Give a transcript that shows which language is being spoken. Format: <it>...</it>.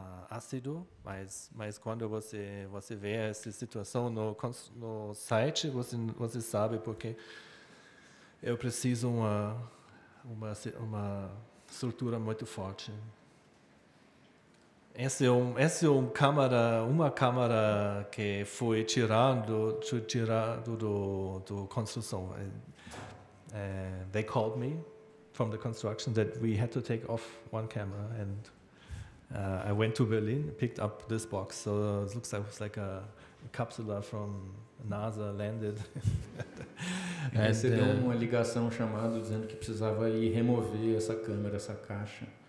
<pt>ácido, mas quando você vê essa situação no site, você sabe porque eu preciso uma estrutura muito forte. Essa é uma câmera que foi tirado do construção.</pt> <en>They called me from the construction that we had to take off one camera and I went to Berlin, picked up this box, so it looks like it was like a capsule from NASA landed.</en> <pt>Você deu uma ligação chamada dizendo que precisava ir remover essa câmera, essa caixa.</pt>